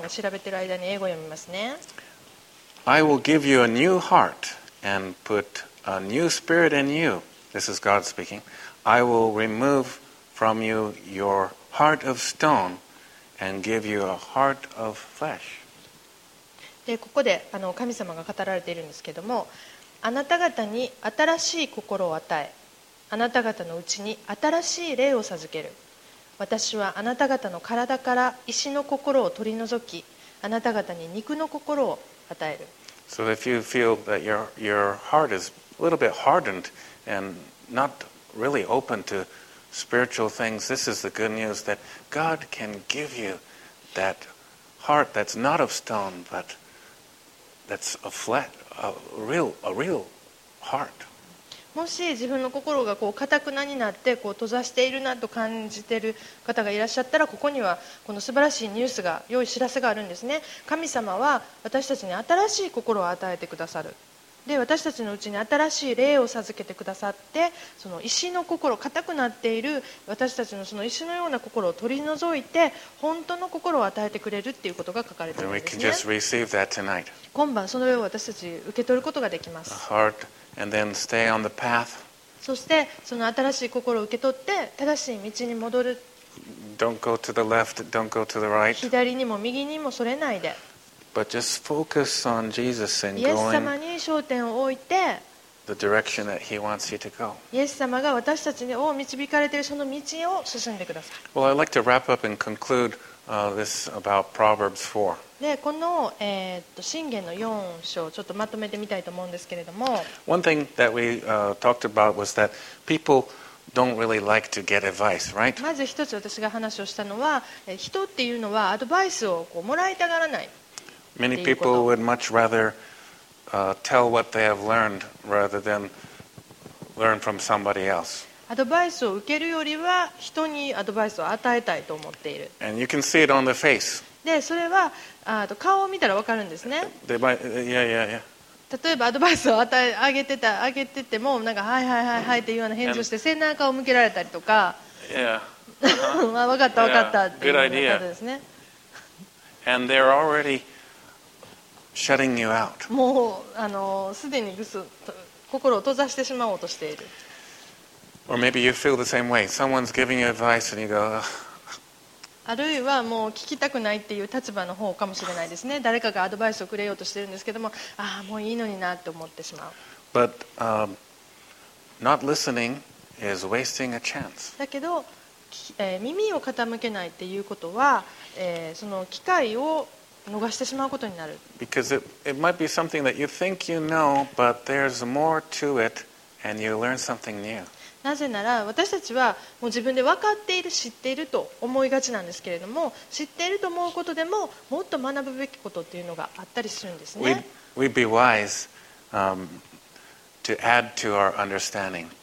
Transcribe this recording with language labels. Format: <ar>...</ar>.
<ja>皆さんが調べている間に英語を読みますね。</ja> <en>I will give you a new heart and put a new spirit in you. This is God speaking. I will remove from you your heart of stone and give you a heart of flesh.</en> <ja>で、ここで神様が語られているんですけども、あなた方に新しい心を与え。あなた方のうちに新しい霊を授ける。私はあなた方の体から石の心を取り除き、あなた方に肉の心を与える。</ja> <en>So if you feel that your heart is a little bit hardened and not really open to spiritual things, this is the good news that God can give you that heart that's not of stone, but that's a flat, a real heart.</en> <ja>もし自分の心がこう固くなになってこう閉ざしているなと感じている方がいらっしゃったら、ここにはこの素晴らしいニュースが、良い知らせがあるんですね。神様は私たちに新しい心を与えてくださる。で、私たちのうちに新しい霊を授けてくださって、その石の心、固くなっている私たちのその石のような心を取り除いて本当の心を与えてくれるっていうことが書かれているんですね。</ja> <en>We can just receive that tonight.</en> <ja>今晩その上を私たち受け取ることができます。</ja> <en>A heartAnd then stay on the path.</en> <ja>そしてその新しい心を受け取って正しい道に戻る。</ja> <en>Don't go to the left, don't go to the right.</en> <ja>左にも右にもそれないで。</ja> <en>But just focus on Jesus and going.</en> <ja>イエス様に焦点を置いて</ja> <en>the direction that he wants you to go.</en> <ja>イエス様が私たちにを導かれているその道を進んでください。</ja> <en>Well, I'd like to wrap up and conclude this about Proverbs 4.</en> <ja>で、この箴言の4章ちょっとまとめてみたいと思うんですけれども。</ja> <en>One thing that we talked about was that peopleDon't really like to get advice, right?</en> <ja>まず一つ私が話をしたのは、人っていうのはアドバイスをこうもらいたがらない。</ja> <en>Many people would much rather tell what they have learned rather than learn from somebody else.</en> <ja>アドバイスを受けるよりは人にアドバイスを与えたいと思っている。</ja> <en>And you can see it on the face.</en> <ja>で、それは顔を見たらわかるんですね。</ja> <en>They might, yeah, yeah, yeah.</en> <ja>例えばアドバイスを上げててもなんかはいはいはいはいっていうような返事をして背中を向けられたりとか、</ja> <en>yeah.</en> <ja>uh-huh. 分かった分かったっていうような方ですね。</ja> <en>And they're already shutting you out.</en> <ja>もうすでに心を閉ざしてしまおうとしている。</ja> <en>Or maybe you feel the same way. Someone's giving you advice and you go.</en> <ja>あるいはもう聞きたくないっていう立場の方かもしれないですね。誰かがアドバイスをくれようとしてるんですけども、ああもういいのになって思ってしまう。</ja> <en>But, not listening is wasting a chance.</en> <ja>だけど、耳を傾けないっていうことは、その機会を逃してしまうことになる。</ja> <en>Because it might be something that you think you know, but there's more to it, and you learn something new.</en> <ja>なぜなら私たちはもう自分で分かっている知っていると思いがちなんですけれども知っていると思うことでももっと学ぶべきことっていうのがあったりするんですね。</ja> <en>We'd be wise, to add to our understanding.</en>